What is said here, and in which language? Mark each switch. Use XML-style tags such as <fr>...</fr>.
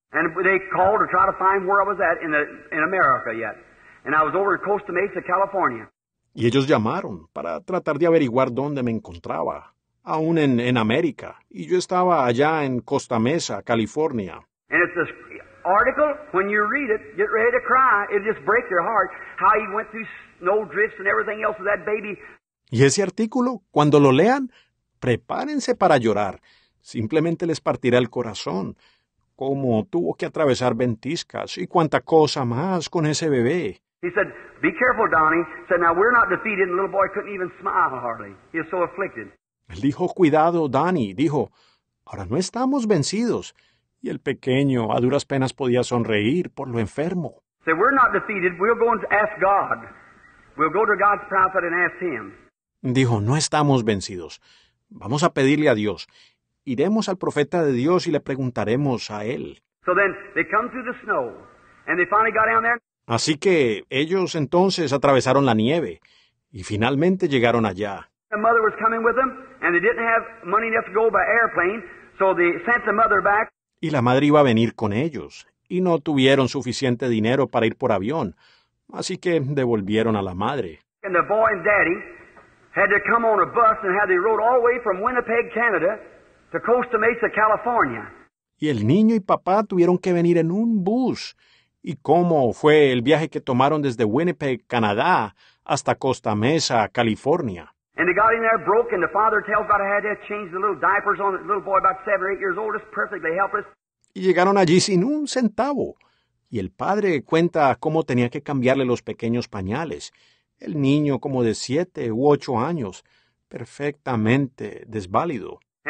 <en>And they called to try to find where I was at in America yet. And I was over in Costa Mesa, California.</en> <es>Y ellos llamaron para tratar de averiguar dónde me encontraba, aún en América. Y yo estaba allá en Costa Mesa, California.</es> <en>And it's this article, when you read it, get ready to cry. It just breaks your heart how he went through snow drifts and everything else with that baby.</en> <es>Y ese artículo, cuando lo lean, prepárense para llorar. Simplemente les partirá el corazón. Cómo tuvo que atravesar ventiscas y cuánta cosa más con ese bebé.</es> <en>He said, be careful, Donnie. He said, now we're not defeated. And the little boy couldn't even smile hardly. He was so afflicted.</en> <es>Él dijo, cuidado, Donnie. Dijo, ahora no estamos vencidos. Y el pequeño a duras penas podía sonreír por lo enfermo.</es> <en>He said, we're not defeated. We'll go and ask God. We'll go to God's prophet and ask him.</en> <es>Dijo, no estamos vencidos. Vamos a pedirle a Dios. Iremos al profeta de Dios y le preguntaremos a él.</es> <en>So then they come through the snow and they finally got down there.</en> <es>Así que ellos entonces atravesaron la nieve y finalmente llegaron allá.</es> <en>The mother was coming with them and they didn't have money enough to go by airplane, so they sent the mother back.</en> <es>Y la madre iba a venir con ellos y no tuvieron suficiente dinero para ir por avión, así que devolvieron a la madre.</es> <en>And the boy and daddy had to come on a bus and had they rode all the way from Winnipeg, Canada to Costa Mesa, California.</en> <es>Y el niño y papá tuvieron que venir en un bus. ¿Y cómo fue el viaje que tomaron desde Winnipeg, Canadá hasta Costa Mesa, California?</es> <en>And they got in there broke and the father tells God I had to change the little diapers on the little boy about 7 or 8 years old, just perfectly helpless.</en> <es>Y llegaron allí sin un centavo. Y el padre cuenta cómo tenía que cambiarle los pequeños pañales. El niño, como de 7 u 8 años, perfectamente desválido.</es>